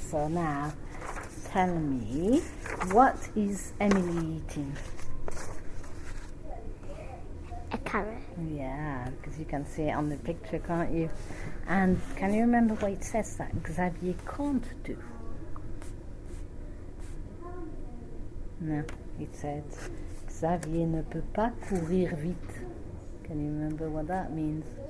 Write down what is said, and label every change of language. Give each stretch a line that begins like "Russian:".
English: So now, tell me, what is Emily eating? A carrot. Yeah, because you can see it on the picture, can't you? And can you remember what it says that Xavier can't do? No, it said,
French: Xavier ne peut pas courir vite.
English: Can you remember what that means?